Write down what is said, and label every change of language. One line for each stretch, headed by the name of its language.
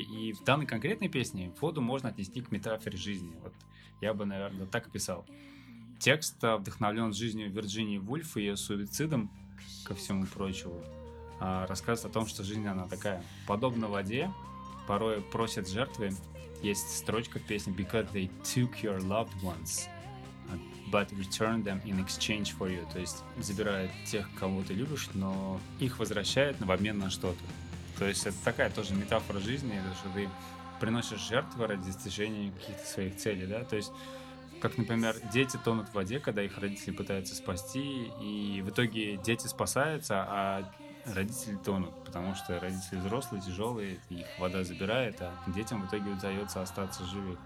Russian: И в данной конкретной песне воду можно отнести к метафоре жизни. Вот я бы, наверное, так описал. Текст вдохновлен жизнью Вирджинии Вульф и ее суицидом, ко всему прочему. Рассказывает о том, что жизнь, она такая, подобна воде, порой просят жертвы. Есть строчка в песне
English: «Because they took your loved ones, but returned them in exchange for you».
Russian: То есть забирают тех, кого ты любишь, но их возвращают в обмен на что-то. То есть это такая тоже метафора жизни, что ты приносишь жертвы ради достижения каких-то своих целей, да? То есть как, например, дети тонут в воде, когда их родители пытаются спасти, и в итоге дети спасаются, а родители тонут, потому что родители взрослые, тяжелые, их вода забирает, а детям в итоге удается остаться живы.